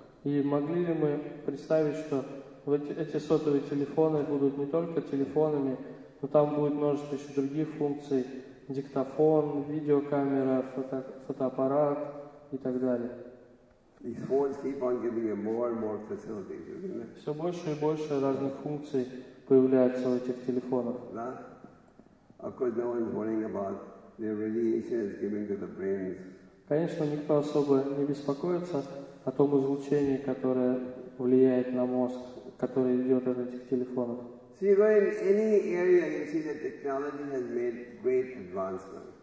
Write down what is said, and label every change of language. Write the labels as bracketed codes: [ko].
[ru] И могли ли мы представить, что эти сотовые телефоны будут не только телефонами, но там будет множество еще других функций: диктофон, видеокамера, фотоаппарат и так далее. [en] These phones keep on giving you more and more facilities, isn't it? [ru] Все больше и больше разных функций появляется в этих телефонах. Да? [en] Of course, no one is worrying about the radiation it's giving to the brains. [ru] Конечно, никто особо не беспокоится о том излучении, которое влияет на мозг, которое идет от этих телефонов. [en] So you go in any area and you see that technology has made great advancements.